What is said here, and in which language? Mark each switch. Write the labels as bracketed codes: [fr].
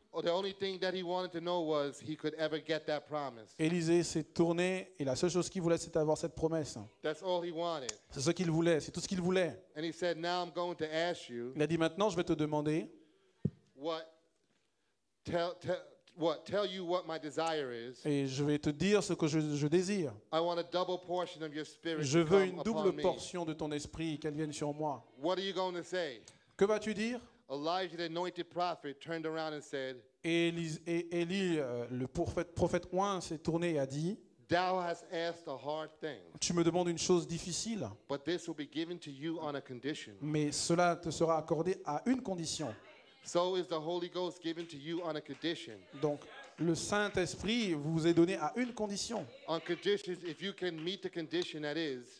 [en] The only thing that he wanted to know was he could ever get that promise. [fr] Élisée s'est tourné et la seule chose qu'il voulait c'était avoir cette promesse. [en] That's all he wanted. [fr] C'est ce qu'il voulait, c'est tout ce qu'il voulait. [en] And he said, "Now I'm going to ask you." [fr] Il a dit maintenant je vais te demander. [en] What? Tell you what my desire is. [fr] Et je vais te dire ce que je désire. [en] I want a double portion of your spirit. [fr] Je veux une double portion de ton esprit qu'elle vienne sur moi. [en] What are you going to say? [fr] Que vas-tu dire? [en] Elijah, the anointed prophet, turned around and said, [fr] Élie, le prophète oint s'est tourné et a dit, [en] "Thou hast asked a hard thing, [fr] tu me demandes une chose difficile, [en] but this will be given to you on a condition. [fr] Mais cela te sera accordé à une condition. [en] So is the Holy Ghost given to you on a condition. [fr] Donc, le Saint-Esprit vous est donné à une condition. [en] On condition, if you can meet the condition that is,